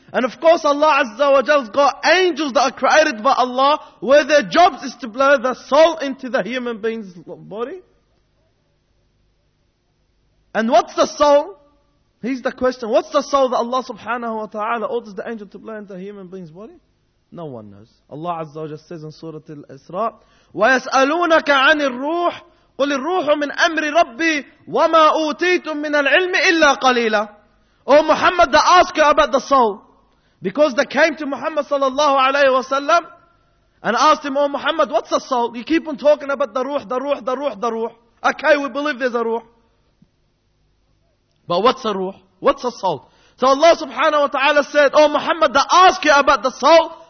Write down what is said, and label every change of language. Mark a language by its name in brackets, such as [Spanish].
[English] And of course Allah azza wa jal has got angels that are created by Allah, where their job is to blow the soul into the human being's body. And what's the soul? Here's the question. What's the soul that Allah subhanahu wa ta'ala orders the angel to blow into the human being's body? No one knows. [Arabic] Allah azza wa jal [English] says in [Arabic] Surah Al-Isra, وَيَسْأَلُونَكَ عَنِ الرُّوحِ قُلِ الرُّوحُ مِنْ أَمْرِ رَبِّي وَمَا أُوْتِيْتُمْ مِنَ الْعِلْمِ إِلَّا قَلِيلًا. [English] Oh Muhammad, they ask you about the soul. Because they came to Muhammad sallallahu alayhi wa sallam and asked him, oh Muhammad, what's the soul? You keep on talking about the ruh, the ruh, the ruh, the ruh. Okay, we believe there's a ruh. But what's a ruh? What's a soul? So Allah subhanahu wa ta'ala said, oh Muhammad, they ask you about the soul.